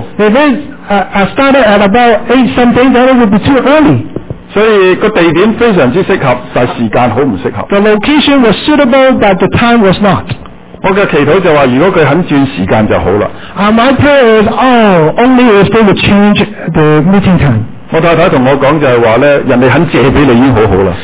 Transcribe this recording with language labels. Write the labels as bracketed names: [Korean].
[English] If it started at about 8 something, then it would be too early. [Chinese] 所以地点非常适合，但时间很不适合。 [English] The location was suitable, but the time was not. [Chinese] 我的祈祷就是说如果他肯转时间就好了。 [English] My prayer is, oh, only if they would change the meeting time. [Chinese] 我太太跟我说就是说人家肯借给你已经很好了。